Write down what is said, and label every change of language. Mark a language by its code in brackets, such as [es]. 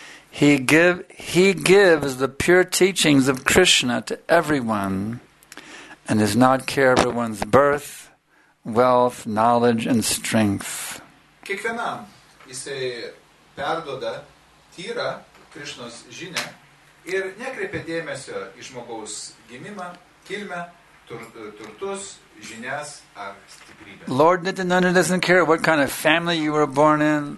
[en] He gives the pure teachings of Krishna to everyone and does not care for one's birth, wealth, knowledge, and strength. [lt] Kiekvienam jisai perduoda tyrą Krishnos žinę ir nekreipia dėmesio į žmogaus gimimą, kilmę, turtus, žinias ar stiprybę. [en] Lord Nityananda doesn't care what kind of family you were born in.